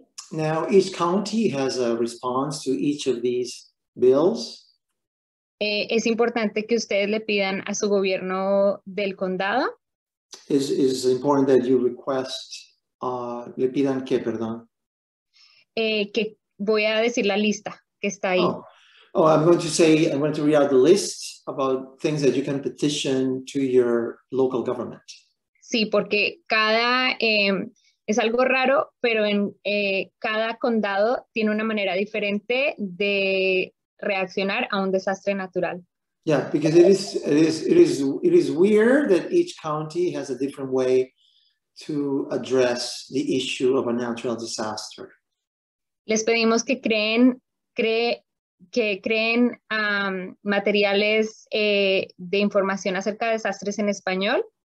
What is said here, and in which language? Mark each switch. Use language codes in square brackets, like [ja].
[en] Now, each county has a response to each of these bills. [es] Es importante que ustedes le pidan a su gobierno del condado. [en] It's important that you request, [es] le pidan qué, perdón. Que voy a decir la lista que está ahí. [en] Oh, I'm going to read out the list about things that you can petition to your local government. [es] Sí, porque cada, es algo raro, pero en cada condado tiene una manera diferente de reaccionar a un desastre natural. [en] Yeah, because it is weird that each county has a different way to address the issue of a natural disaster. [es] Les pedimos que creen materiales de información acerca de desastres en español.